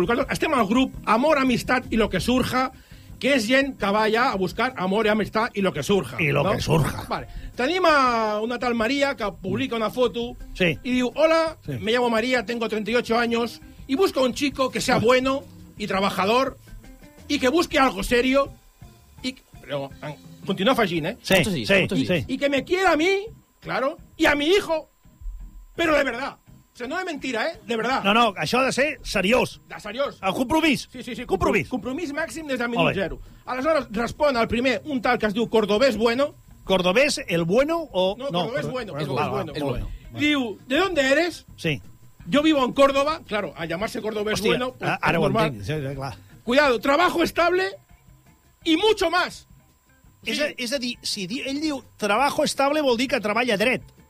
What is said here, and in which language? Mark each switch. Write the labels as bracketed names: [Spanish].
[Catalan] Estem al grup Amor, Amistat y [Spanish] lo que surja, [Catalan] que és gent que va allà a buscar amor i amistat i lo que surja. [Spanish] I lo que surja. [Catalan] Vale. Tenim a una tal Maria que publica una foto i [Spanish] diu: hola, me llamo Maria, tengo 38 años y busco un chico que sea bueno y trabajador y que busque algo serio y... Pero, continúa [Catalan] afegint, [Spanish] ¿eh? Sí. Y que me quiera a mí, claro, y a mi hijo. Però de verdad. O sea, no de mentira, ¿eh? De verdad. [Catalan] No, això ha de ser seriós. De seriós. El compromís. Sí. Compromís. Compromís màxim des del minut zero. Aleshores, respon al primer un tal que es diu Cordobés Bueno. [Spanish] ¿Cordobés el bueno o...? No, Cordobés Bueno. Es bueno. Diu, ¿de dónde eres? Sí. Yo vivo en Córdoba. Claro, a llamarse Cordobés Bueno... [Catalan] Ara ho entenc. Sí, clar. [Spanish] Cuidado, trabajo estable y mucho más. Sí. [Catalan] És a dir, si ell diu [Spanish] trabajo estable, [Catalan] vol dir que treballa dret.